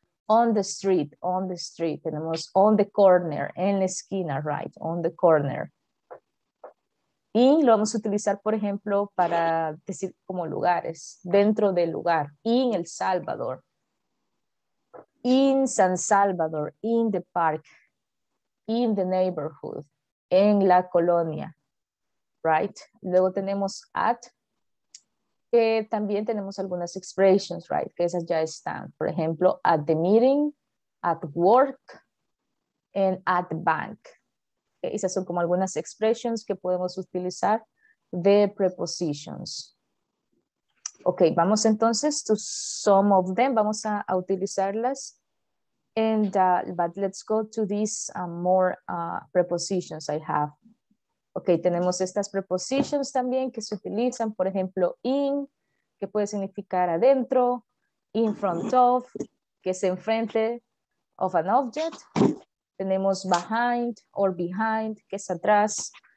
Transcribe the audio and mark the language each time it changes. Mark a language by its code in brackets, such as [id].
[en] On the street, [es] tenemos [en] on the corner, [es] en la esquina, [en] right? On the corner. [es] Y lo vamos a utilizar, por ejemplo, para decir como lugares, dentro del lugar, in El Salvador. [en] In San Salvador, in the park, in the neighborhood, [es] en la colonia, [en] right? [es] Luego tenemos at, que también tenemos algunas expressions, right? Que esas ya están, por ejemplo, [en] at the meeting, at work, and at the bank. [es] Esas son como algunas expressions que podemos utilizar de prepositions. Ok, vamos entonces [en] to some of them, [es] vamos a utilizarlas. [en] And but let's go to these more prepositions I have. [es] Ok, tenemos estas prepositions también que se utilizan, por ejemplo, in, que puede significar adentro, [en] in front of, [es] que es enfrente of an object. Tenemos behind or behind, que es atrás.